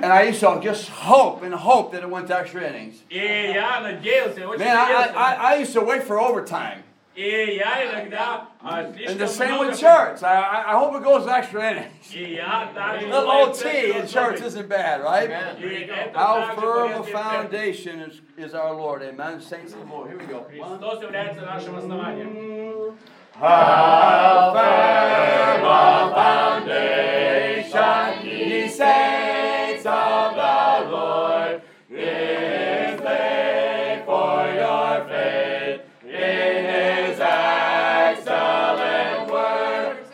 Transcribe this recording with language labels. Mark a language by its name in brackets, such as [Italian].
[English] And I used to just hope that it went to extra innings. [Russian] И я надеялся, очень надеялся. [English] Man, I used to wait for overtime. [Russian] И я иногда слишком [English] And the same with shirts. I hope it goes to extra innings. [Russian] И я также. [English] The OT in shirts isn't bad, right? Amen. How firm a foundation is our Lord. Amen. Saints of the Lord. Here we go. [Russian] Христос является нашим основанием. [English] How firm a foundation, ye saints of the Lord, is laid for your faith in his excellent word.